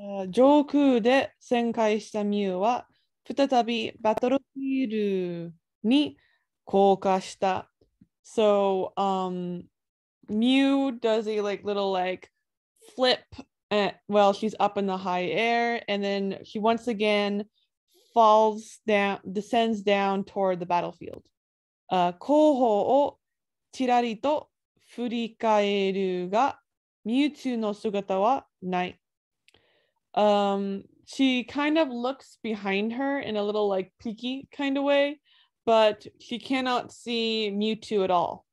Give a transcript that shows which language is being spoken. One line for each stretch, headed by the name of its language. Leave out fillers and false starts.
Japanese: 上空で旋回したミュウは再びバトルフィールに降下した。
English: So, Miu does a like little like flip and, well, she's up in the high air and then she once again falls down, descends down toward the battlefield.
Japanese: 後方をちらりと振り返るが、ミュウツーの姿はない。
English: She kind of looks behind her in a little like peeky kind of way, but she cannot see Mewtwo at all.